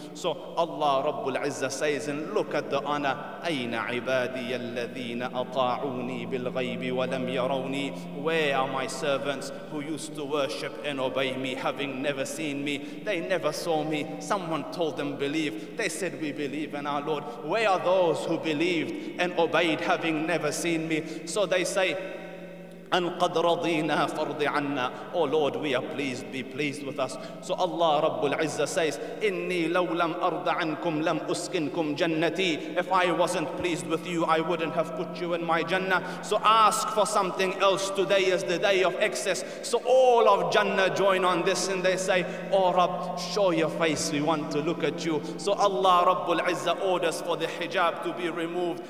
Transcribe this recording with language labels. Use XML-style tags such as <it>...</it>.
<en>So Allah Rabbul Izzah says, and look at the honor,</en> <ar>Aina ibadi alladhina ata'uni bil ghaybi wa lam yarawni.</ar> <en>Where are my servants who used to worship and obey me, having never seen me? They never saw me. Someone told them, believe. They said, we believe in our Lord. Where are those who believed and obeyed, having never seen me? So they say,</en> <ar>أن قد رضينا فرض عنا.</ar> <en>Oh Lord, we are pleased, be pleased with us. So Allah Rabbul Izzah says,</en> <ar>إني لو لم أرض عنكم لم أسكنكم جنتي.</ar> <en>If I wasn't pleased with you, I wouldn't have put you in my Jannah. So ask for something else. Today is the day of excess. So all of Jannah join on this and they say, Oh Rabb, show your face, we want to look at you. So Allah Rabbul Izzah orders for the hijab to be removed.</en>